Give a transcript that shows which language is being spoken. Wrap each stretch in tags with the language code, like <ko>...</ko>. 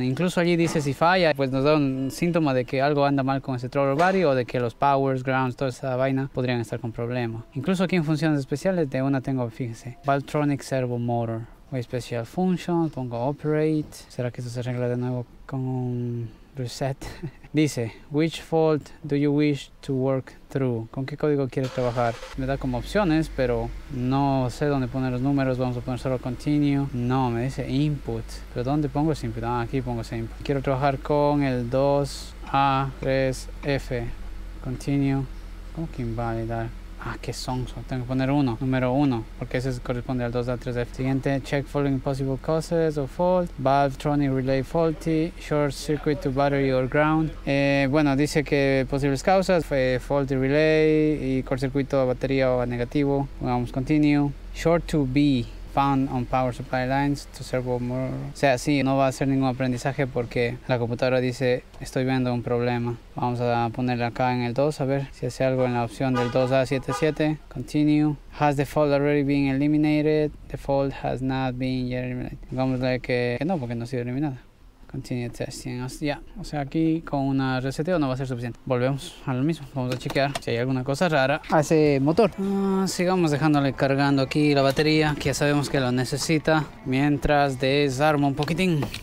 <es>Incluso allí dice si falla, pues nos da un síntoma de que algo anda mal con ese throttle body, o de que los powers, grounds, toda esa vaina podrían estar con problema. Incluso aquí en funciones especiales de una tengo, fíjense, Valtronic Servo Motor. Voy a special function, pongo operate. ¿Será que esto se arregla de nuevo con</es> <en>Reset.</en> <es>Dice,</es> <en>which fault do you wish to work through?</en> <es>¿Con qué código quieres trabajar? Me da como opciones, pero no sé dónde poner los números. Vamos a poner solo continue. No, me dice input. ¿Pero dónde pongo ese input? Ah, aquí pongo ese input. Quiero trabajar con el 2A3F. Continue. ¿Cómo que invalidar? Ah, qué sonso. Tengo que poner uno. Número uno. Porque ese corresponde al 2A3F. Siguiente.</es> <en>Check following possible causes of fault. Valvetronic relay faulty. Short circuit to battery or ground.</en> <es>Bueno, dice que posibles causas. Fue faulty relay. Y cort circuito a batería o a negativo. Vamos, continue.</es> <en>Short to B. Found on power supply lines to servo motor.</en> <es>O sea, sí, no va a hacer ningún aprendizaje porque la computadora dice, estoy viendo un problema. Vamos a ponerle acá en el 2, a ver si hace algo en la opción del 2A77.</es> <en>Continue. Has the fault already been eliminated? The fault has not been yet eliminated.</en> <es>Digámosle que no, porque no ha sido eliminada.</es> <en>Continue testing.</en> <es>Ya, o sea, aquí con una reseteo no va a ser suficiente. Volvemos a lo mismo. Vamos a chequear si hay alguna cosa rara a ese motor. Sigamos dejándole cargando aquí la batería, que ya sabemos que lo necesita, mientras desarmo un poquitín.</es>